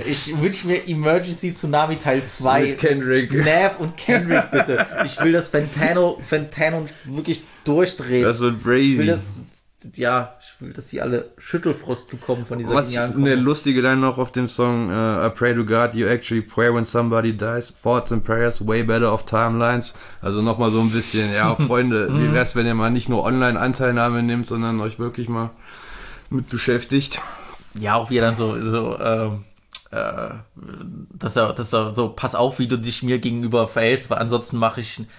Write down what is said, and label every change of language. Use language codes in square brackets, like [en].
[de] Ich wünsche mir Emergency Tsunami Teil 2 mit Kendrick. Nerv und Kendrick, bitte. Ich will das Fentano wirklich durchdrehen. Das wird crazy. Ich will, dass sie alle Schüttelfrost bekommen von dieser genialen Kombi. Eine lustige Line noch auf dem Song, [en] I pray to God, you actually pray when somebody dies. Thoughts and prayers, way better off timelines. [de] Also nochmal so ein bisschen, ja, Freunde, wie wär's, wenn ihr mal nicht nur online Anteilnahme nehmt, sondern euch wirklich mal mit beschäftigt. Ja, auch wie er dann dass er so, pass auf, wie du dich mir gegenüber verhältst, weil ansonsten mache ich